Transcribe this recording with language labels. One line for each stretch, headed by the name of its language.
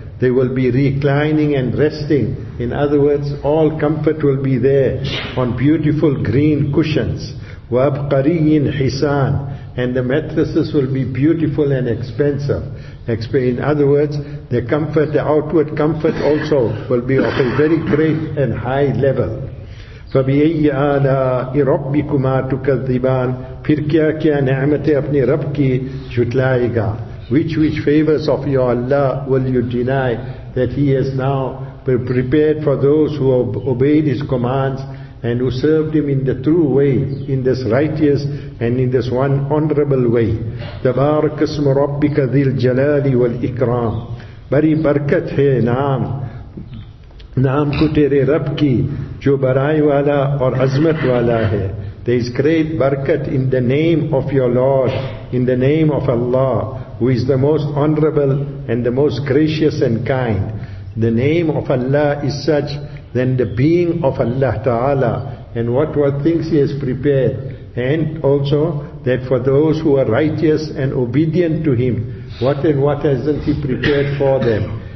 English: They will be reclining and resting. In other words, all comfort will be there on beautiful green cushions.
Arabic: وَأَبْقَرِيٍ حِسَانٍ.
English: And the mattresses will be beautiful and expensive. In other words, the comfort, the outward comfort also will be of a very great and high level.
Arabic: فَبِأَيِّ آلَاءِ رَبِّكُمَا تُكَذِّبَانِ.
Urdu: پھر کیا کیا نعمتیں اپنے رب کی جھٹلائے گا.
English: Which favors of your Allah will you deny, that He has now prepared for those who have obeyed His commands and who served Him in the true way, in this righteous and in this one honorable way.
Arabic: تبارك اسم ربك ذي الجلال والإكرام.
Urdu: بری برکت ہے نام کو تیرے رب کی جو برائی والا اور عظمت والا ہے.
English: There is great barakat in the name of your Lord, in the name of Allah, who is the most honorable and the most gracious and kind. The name of Allah is such, then the being of Allah Ta'ala, and what things He has prepared, and also that for those who are righteous and obedient to Him, what hasn't He prepared for them?